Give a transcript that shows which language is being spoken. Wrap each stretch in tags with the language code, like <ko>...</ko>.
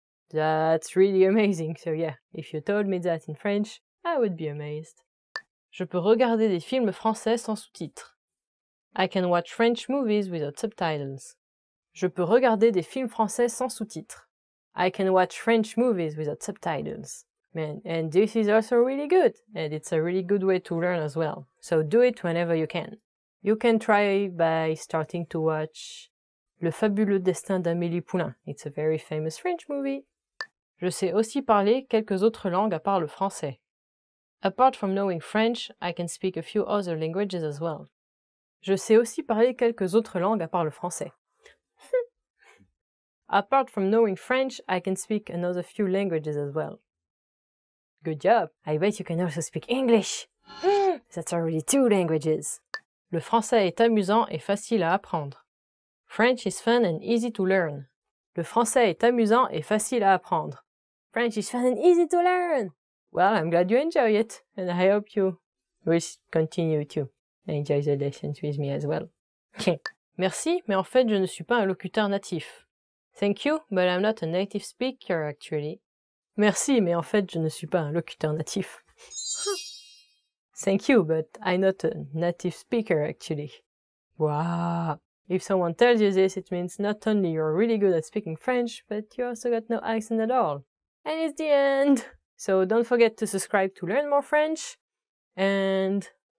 <en>That's really amazing, so yeah, if you told me that in French, I would be amazed.</en> <fr>Je peux regarder des films français sans sous-titres.</fr> <en>I can watch French movies without subtitles.</en> <fr>Je peux regarder des films français sans sous-titres.</fr> <en>I can watch French movies without subtitles. Man, and this is also really good, and it's a really good way to learn as well. So do it whenever you can. You can try by starting to watch Le fabuleux destin d'Amélie Poulain. It's a very famous French movie.</en> <fr>Je sais aussi parler quelques autres langues à part le français.</fr> <en>Apart from knowing French, I can speak a few other languages as well.</en> <fr>Je sais aussi parler quelques autres langues à part le français.</fr> <en>Apart from knowing French, I can speak another few languages as well. Good job! I bet you can also speak English! That's already 2 languages!</en> <fr>Le français est amusant et facile à apprendre.</fr> <en>French is fun and easy to learn.</en> <fr>Le français est amusant et facile à apprendre.</fr> <en>French is fun and easy to learn! Well, I'm glad you enjoy it, and I hope you will continue to enjoy the lessons with me as well.</en> <fr>Merci, mais en fait, je ne suis pas un locuteur natif.</fr> <en>Thank you, but I'm not a native speaker, actually.</en> <fr>Merci, mais en fait, je ne suis pas un locuteur natif.</fr> <en>Thank you, but I'm not a native speaker, actually. Wow! If someone tells you this, it means not only you're really good at speaking French, but you also got no accent at all. And it's the end! So don't forget to subscribe to learn more French, and</en>